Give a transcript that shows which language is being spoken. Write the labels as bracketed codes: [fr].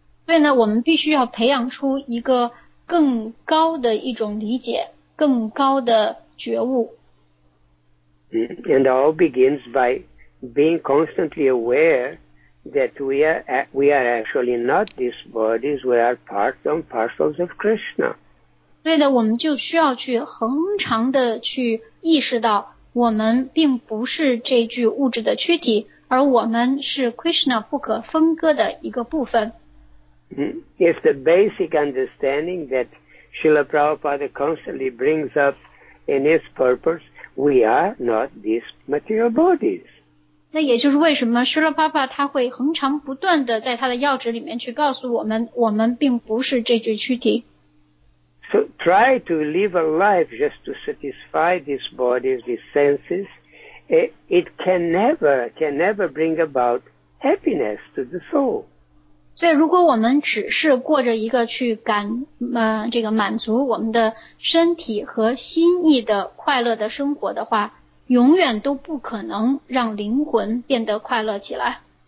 [zh] 所以呢，我们必须要培养出一个更高的一种理解，更高的觉悟。 [en] And all begins by being constantly aware that we are actually not these bodies, we are parts and parcels of Krishna. [zh] 所以呢，我们就需要去恒常的去意识到，我们并不是这具物质的躯体，而我们是 Krishna 不可分割的一个部分。 [en] If the basic understanding that Srila Prabhupada constantly brings up in his purpose, we are not these material bodies. [zh] 那也就是为什么 Srila Prabhupada 他会恒常不断地在他的要旨里面去告诉我们，我们并不是这具躯体。 [en] So try to live a life just to satisfy these bodies, these senses. It can never bring about happiness to the soul. [zh] 所以如果我们只是过着一个去感、这个满足我们的身体和心意的快乐的生活的话，永远都不可能让灵魂变得快乐起来。